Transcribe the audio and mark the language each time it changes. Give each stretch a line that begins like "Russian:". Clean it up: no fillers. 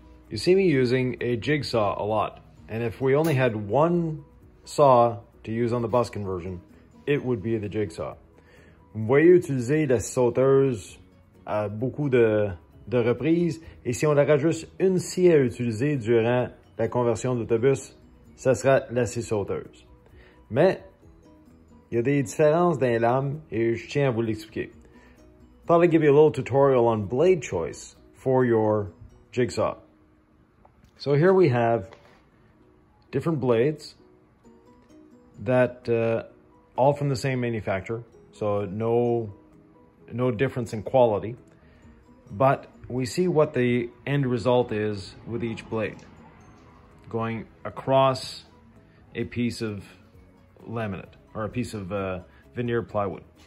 English: You see me using a jigsaw a lot, and if we only had one saw to use on the bus conversion, it would be the jigsaw.
French: Vous voyez utiliser la sauteuse à beaucoup de reprises, et si on aurait juste une scie à utiliser durant la conversion d'autobus, ça sera la scie sauteuse. Mais il y a des différences dans les lames, et je tiens à vous l'expliquer.
English: Thought I'd give you a little tutorial on blade choice for your jigsaw. So here we have different blades that all from the same manufacturer, so no difference in quality, but we see what the end result is with each blade going across a piece of laminate or a piece of veneer plywood.